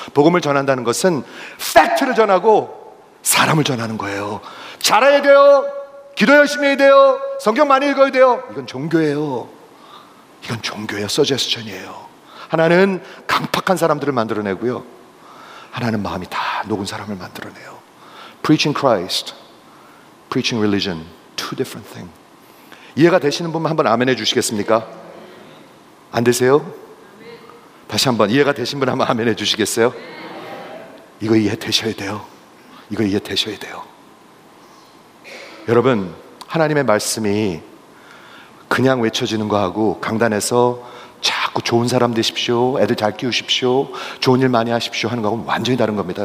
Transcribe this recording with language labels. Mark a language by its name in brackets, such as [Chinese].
[Korean] 복음을 전한다는 것은 팩트를 전하고 사람을 전하는 거예요. 잘해야 돼요. 기도 열심히 해야 돼요. 성경 많이 읽어야 돼요. 이건 종교예요. 이건 종교예요. 서제스천이에요. 하나는 강팍한 사람들을 만들어내고요. 하나는 마음이 다 녹은 사람을 만들어내요. [English] Preaching Christ, preaching religion, two different things. [Korean] 이해가 되시는 분만 한번 아멘 해주시겠습니까? 안 되세요? 다시 한번 이해가 되신 분 한번 아멘 해주시겠어요? 이거 이해 되셔야 돼요. 이거 이해 되셔야 돼요. 여러분 하나님의 말씀이 그냥 외쳐지는 거하고 강단에서 자꾸 좋은 사람 되십시오, 애들 잘 키우십시오, 좋은 일 많이 하십시오 하는 거하고는 완전히 다른 겁니다.